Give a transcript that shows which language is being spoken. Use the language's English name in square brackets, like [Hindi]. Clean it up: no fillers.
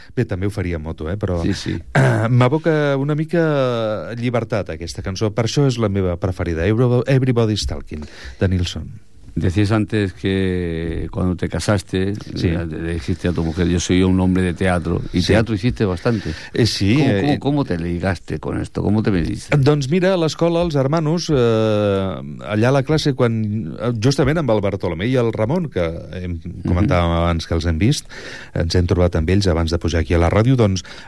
[Catalan] Bé, també ho faria en moto, però... Sí, sí. M'aboca una mica llibertat, aquesta cançó. Per això és la meva preferida, Everybody's Talking, de Nilsson. [Spanish] Decías antes que cuando te casaste, sí, le dijiste a tu mujer, yo soy un hombre de teatro, y sí, teatro hiciste bastante. Sí. ¿Cómo te ligaste con esto? ¿Cómo te metiste? [Catalan] Doncs mira, a l'escola, els hermanos, allà a la classe, quan, justament amb el Bartolomé i el Ramon, que comentàvem abans que els hem vist, ens hem trobat amb ells abans de pujar aquí a la ràdio, doncs...